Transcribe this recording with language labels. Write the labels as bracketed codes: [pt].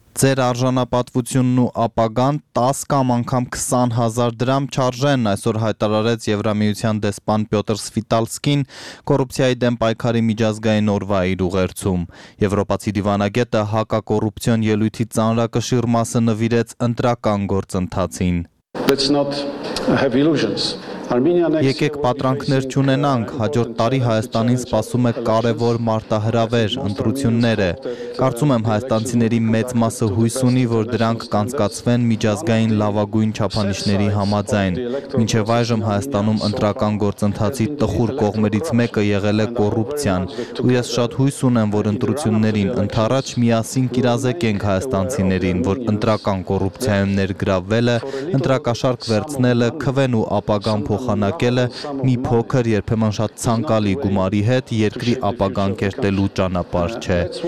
[hy] Ձեր արժանապատվությունն ու ապագան 10 կամ անգամ 20,000 դրամ չարժեն, այսօր հայտարարեց Եվրամիության դեսպան Պյոտր Սվիտալսկին կոռուպցիայի դեմ պայքարի միջազգային օրվա իր ուղերձում։ Եվրոպացի դիվանագետը հակակոռուպցիոն ելույթի ծանրակշիռ մասը նվիրեց ընտրական գործընթացին։ [en] Let's not have illusions. [hy] Եկեք պատրանքներ չունենանք, հաջորդ տարի Հայաստանին սպասում է կարևոր մարտահրավեր, ընտրությունները։ Կարծում եմ, հայաստանցիների մեծ մասը հույս ունի, որ դրանք կանցկացվեն միջազգային լավագույն չափանիշների համաձայն։ Մինչև այժմ Հայաստանում ընտրական գործընթացի տխուր կողմերից մեկը եղել է կոռուպցիան, ու ես շատ հույս ունեմ, որ ընտրություններին ընդառաջ միասին կիրազեկենք հայաստանցիներին, որ ընտրական կոռուպցիայում ներգրավվելը, ընտրակաշարք վերցնելը, քվեն ու ապագան փոխանակելը մի փոքր, երբեմն շատ ցանկալի գումարի հետ երկրի ապագան կերտելու ճանապարհ չէ։